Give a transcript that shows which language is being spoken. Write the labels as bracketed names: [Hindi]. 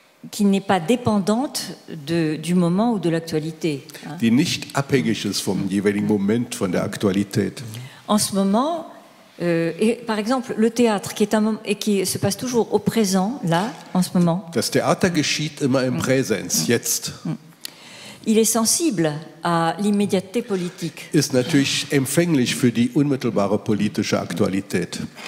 [French] Qui n'est pas dépendante du moment ou de l'actualité. [German] Die nicht abhängig ist vom jeweiligen Moment, von der Aktualität. [French] En ce moment, et par exemple, le théâtre qui se passe toujours au présent, là, en ce moment. [German] Das Theater geschieht immer im Präsens, jetzt. [French] Il est sensible à l'immédiateté politique. [German] Ist natürlich empfänglich für die unmittelbare politische Aktualität.